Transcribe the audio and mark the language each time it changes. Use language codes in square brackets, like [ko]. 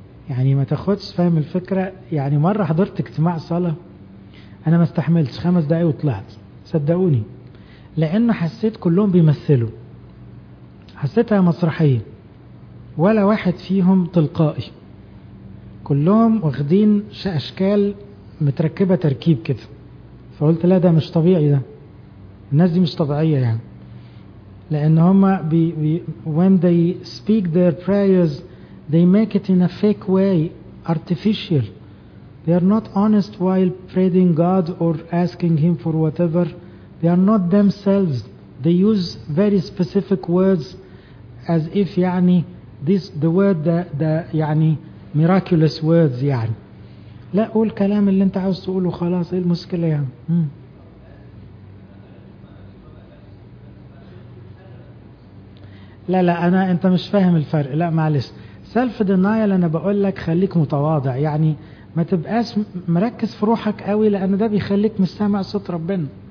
[ar] يعني ما تاخدش، فاهم الفكرة؟ يعني مرة حضرت اجتماع صلاة انا ما استحملتش 5 دقايق وطلعت، صدقوني، لان حسيت كلهم بيمثلوا، حسيتها مسرحية، ولا واحد فيهم تلقائي، كلهم واخدين أشكال متركبة تركيب كده. فقلت لا، ده مش طبيعي، ده الناس دي مش طبيعية. يعني لأن هما [en] when they speak their prayers they make it in a fake way, artificial. They are not honest while praying God or asking Him for whatever. They are not themselves. They use very specific words as if يعني this the word the يعني miraculous words. [ar] يعني لا، قول الكلام اللي انت عاوز تقوله خلاص، ايه المشكلة يعني. لا لا، انا انت مش فاهم الفرق. لا معلش، self denial انا بقول لك خليك متواضع، يعني ما تبقاش مركز في روحك قوي لان ده بيخليك مش سامع صوت ربنا.